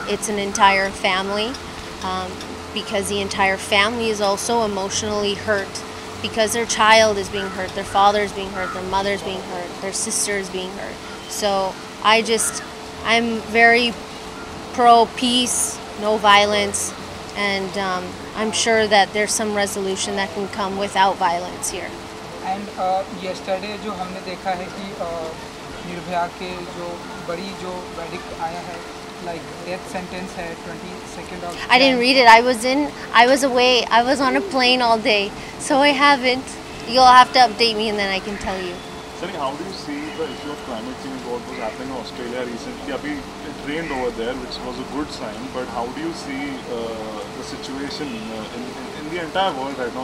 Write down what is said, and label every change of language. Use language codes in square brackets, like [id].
[en] It's an entire family, because the entire family is also emotionally hurt because their child is being hurt, their father is being hurt, their mother is being hurt, their sister is being hurt. So I'm very pro peace, no violence, and I'm sure that there's some resolution that can come without violence here. And yesterday, [hi] जो हमने देखा है कि निर्भया के जो बड़ी जो verdict आया है, [en] like death sentence [hi] है 22nd of. [en] I didn't read it. I was away. I was on a plane all day, so I haven't. You'll have to update me, and then I can tell you. Sir, how do you see the issue of climate change? What was happening in Australia recently? Abhi it rained over there, which was a good sign. But how do you see the situation in the entire world right now?